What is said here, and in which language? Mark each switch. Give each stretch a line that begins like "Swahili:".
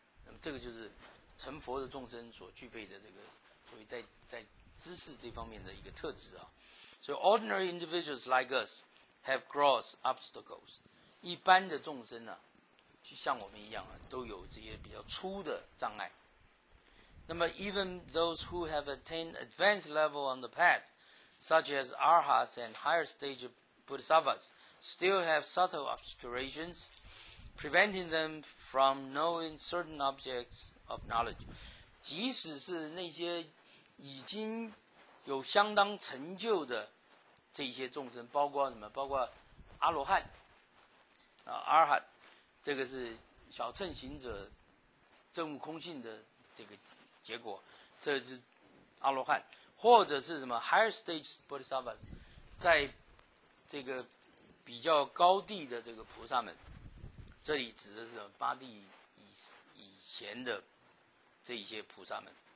Chinese: 那么这个就是成佛的众生所具备的这个，所以在知识这方面的一个特质啊。
English: So ordinary individuals like us have gross obstacles.
Chinese: 一般的众生呢、啊，就像我们一样啊，都有这些比较粗的障碍。
English: 那么 ，even those who have attained advanced level on the path, such as arhats and higher stage bodhisattvas, still have subtle obscurations, preventing them from knowing certain objects of knowledge.
Chinese: 即使是那些已经有相当成就的这些众生，包括什么？包括阿罗汉啊，阿尔汉，这个是小乘行者证悟空性的这个结果，这是阿罗汉，或者是什么
English: higher stage bodhisattvas，
Chinese: 在这个比较高地的这个菩萨们，这里指的是八地以前的这一些菩萨们，